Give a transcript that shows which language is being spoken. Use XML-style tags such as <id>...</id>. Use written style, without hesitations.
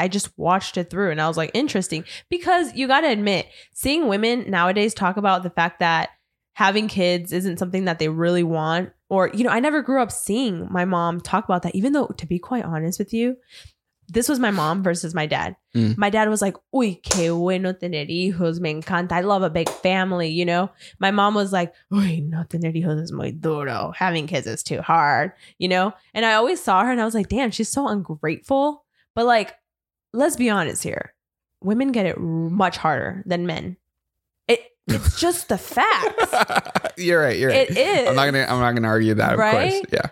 <en>I just watched it through and I was like, interesting. Because you got to admit, seeing women nowadays talk about the fact that having kids isn't something that they really want. Or, you know, I never grew up seeing my mom talk about that, even though, to be quite honest with you, this was my mom versus my dad. Mm. My dad was like,</en> <es>uy, que bueno tener hijos, me encanta.</es> <en>I love a big family, you know? My mom was like,</en> <es>uy, no tener hijos es muy duro.</es> <en>Having kids is too hard, you know? And I always saw her and I was like, damn, she's so ungrateful. But like, let's be honest here. Women get it much harder than men. It's just the facts. You're right. You're it It is. I'm not gonna argue that, right? Of course. Yeah.</en>